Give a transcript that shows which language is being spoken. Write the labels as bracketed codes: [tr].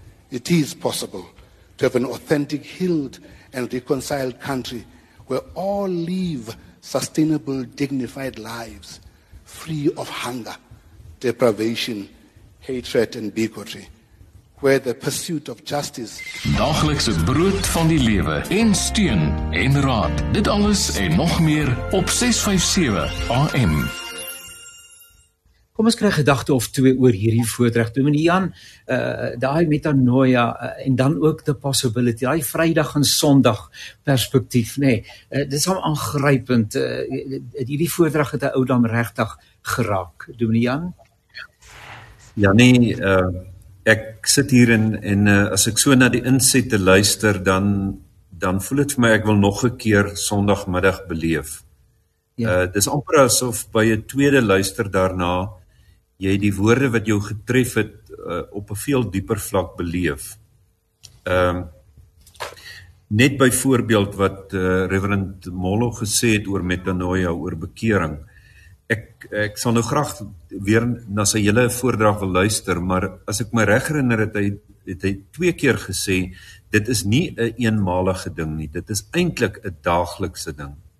[en] It is possible to have an authentic, healed, and reconciled country where all live sustainable, dignified lives, free of hunger, deprivation, hatred and bigotry, where the pursuit of justice. [af] Daglikse brood van die lewe en steun en raad. Dit alles en nog meer op 657 AM. Kom ons kry gedagte of twee oor hierdie voordrag. Dominee Jan, daai metanoia en dan ook [en] the possibility, [af] daai Vrydag en Sondag perspektief, nê. Dit is al aangrypend. Hierdie voordrag het 'n ou dam regtig geraak. Dominee Jan. Ja nee, ek sit hier en as ek so na die insette luister, dan voel het vir my ek wil nog een keer sondagmiddag beleef. Ja. Dis amper asof by een tweede luister daarna, jy die woorde wat jou getref het op een veel dieper vlak beleef. Net by voorbeeld wat Reverend Molo gesê het oor metanoia, oor bekering, Ek sal nou graag weer na sy hele voordrag wil luister, maar as ek my reg herinner, het hy twee keer gesê, dit is nie 'n eenmalige ding nie, dit is eintlik 'n daaglikse ding.